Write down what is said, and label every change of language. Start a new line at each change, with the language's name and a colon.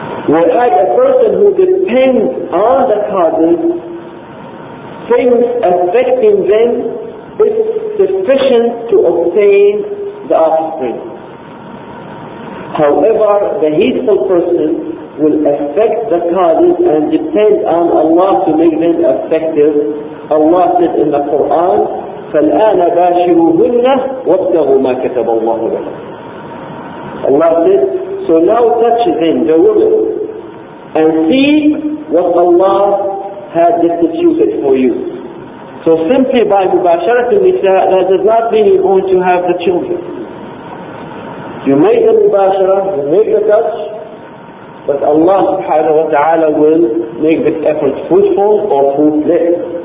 English: Whereas a person who depends on the causes thinks affecting them is sufficient to obtain the offspring. However, the heedful person will affect the causes and depend on Allah to make them effective. Allah said in the Quran,
Arabic: فَالْآنَ بَاشِرُوهُنَّ وَابْتَغُوا مَا كَتَبَ اللَّهُ لَهُ.
English: Allah said, so now touch them, the women, and see what Allah has instituted for you. So simply by mubasharat al-nisa, that does not mean you're going to have the children. You make the mubashara, you make the touch, but Allah subhanahu wa ta'ala will make this effort fruitful or fruitless.